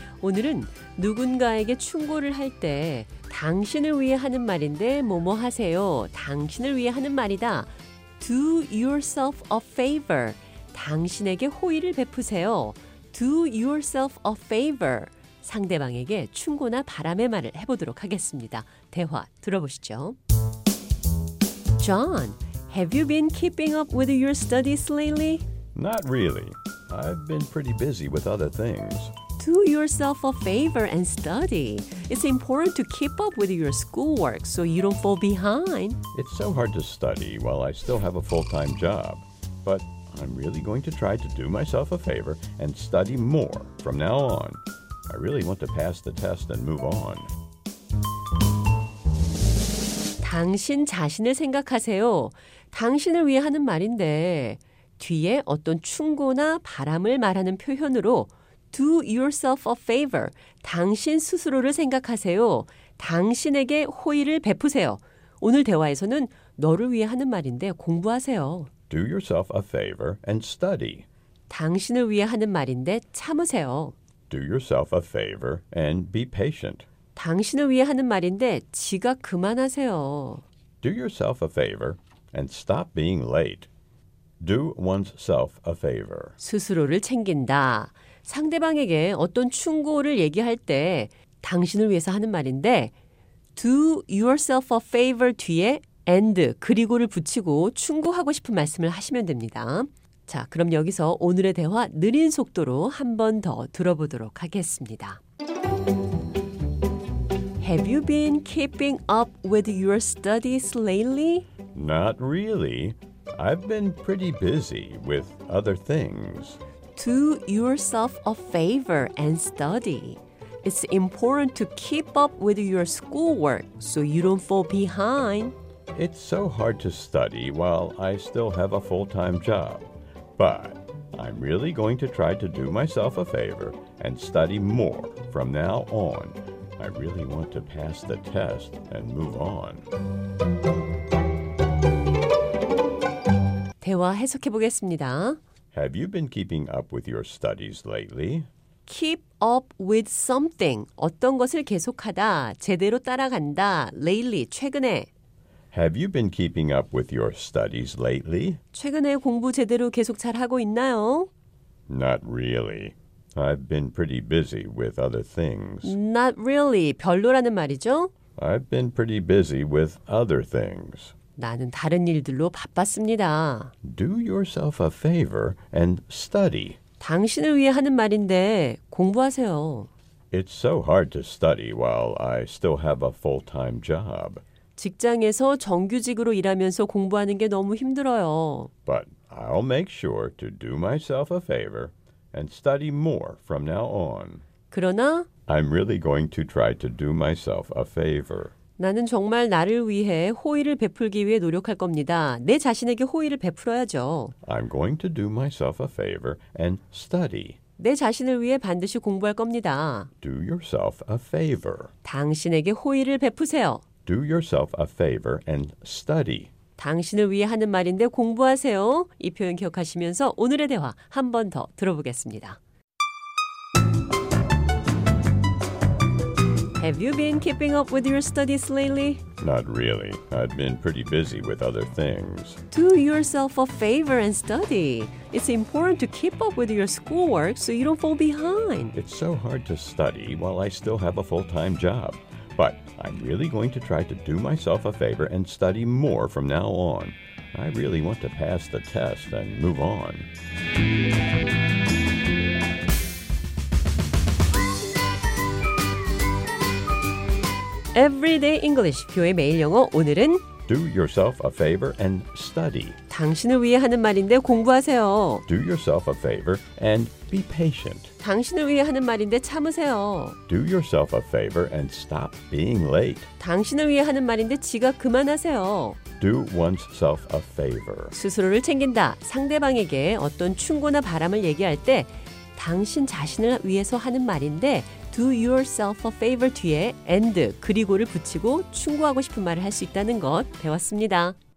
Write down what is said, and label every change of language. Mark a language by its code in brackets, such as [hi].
[ko] 오늘은 누군가에게 충고를 할 때 당신을 위해 하는 말인데 뭐뭐 하세요. 당신을 위해 하는 말이다. [en] Do yourself a favor. [ko] 당신에게 호의를 베푸세요. [en] Do yourself a favor. [ko] 상대방에게 충고나 바람의 말을 해보도록 하겠습니다. 대화 들어보시죠. [en] John, have you been keeping up with your studies lately? Not really. I've been pretty busy with other things. Do yourself a favor and study. It's important to keep up with your schoolwork so you don't fall behind. It's so hard to study while I still have a full-time job. But I'm really going to try to do myself a favor and study more from now on. I really want to pass the test and move on. [ko] 당신 자신을 생각하세요. 당신을 위해 하는 말인데 뒤에 어떤 충고나 바람을 말하는 표현으로 [en] Do yourself a favor. [ko] 당신 스스로를 생각하세요. 당신에게 호의를 베푸세요. 오늘 대화에서는 너를 위해 하는 말인데 공부하세요. [en] Do yourself a favor and study. [ko] 당신을 위해 하는 말인데 참으세요. [en] Do yourself a favor and be patient. [ko] 당신을 위해 하는 말인데 지각 그만하세요. [en] Do yourself a favor and stop being late. Do oneself a favor. [ko] 스스로를 챙긴다. 상대방에게 어떤 충고를 얘기할 때 당신을 위해서 하는 말인데 [en] Do yourself a favor [ko] 뒤에 and 그리고를 붙이고 충고하고 싶은 말씀을 하시면 됩니다. 자, 그럼 여기서 오늘의 대화 느린 속도로 한 번 더 들어보도록 하겠습니다. [en] Have you been keeping up with your studies lately? Not really. I've been pretty busy with other things. Do yourself a favor and study. It's important to keep up with your schoolwork so you don't fall behind. It's so hard to study while I still have a full-time job. But I'm really going to try to do myself a favor and study more from now on. I really want to pass the test and move on. [ko] 대화 해석해 보겠습니다. [en] Have you been keeping up with your studies lately? Keep up with something. [ko] 어떤 것을 계속하다, 제대로 따라간다. [en] Lately, [ko] 최근에. [en] Have you been keeping up with your studies lately? [ko] 최근에 공부 제대로 계속 잘하고 있나요? [en] Not really. I've been pretty busy with other things. Not really. [ko] 별로라는 말이죠. [en] I've been pretty busy with other things. [ko] 나는 다른 일들로 바빴습니다. [en] Do yourself a favor and study. [ko] 당신을 위해 하는 말인데 공부하세요. [en] It's so hard to study while I still have a full-time job. [ko] 직장에서 정규직으로 일하면서 공부하는 게 너무 힘들어요. [en] But I'll make sure to do myself a favor and study more from now on. [ko] 그러나 [en] I'm really going to try to do myself a favor. [ko] 나는 정말 나를 위해 호의를 베풀기 위해 노력할 겁니다. 내 자신에게 호의를 베풀어야죠. [en] I'm going to do myself a favor and study. [ko] 내 자신을 위해 반드시 공부할 겁니다. [en] Do yourself a favor. [ko] 당신에게 호의를 베푸세요. [en] Do yourself a favor and study. [ko] 당신을 위해 하는 말인데 공부하세요. 이 표현 기억하시면서 오늘의 대화 한 번 더 들어보겠습니다. [en] Have you been keeping up with your studies lately? Not really. I've been pretty busy with other things. Do yourself a favor and study. It's important to keep up with your schoolwork so you don't fall behind. It's so hard to study while I still have a full-time job. But I'm really going to try to do myself a favor and study more from now on. I really want to pass the test and move on. [ko] 에브리데이 잉글리시 표의 매일 영어 오늘은 [en] Do yourself a favor and study. [ko] 당신을 위해 하는 말인데 공부하세요. [en] Do yourself a favor and be patient. [ko] 당신을 위해 하는 말인데 참으세요. [en] Do yourself a favor and stop being late. [ko] 당신을 위해 하는 말인데 지각 그만하세요. [en] Do oneself a favor. [ko] 스스로를 챙긴다. 상대방에게 어떤 충고나 바람을 얘기할 때 당신 자신을 위해서 하는 말인데 [en] Do yourself a favor [ko] 뒤에 and 그리고를 붙이고 충고하고 싶은 말을 할 수 있다는 것 배웠습니다.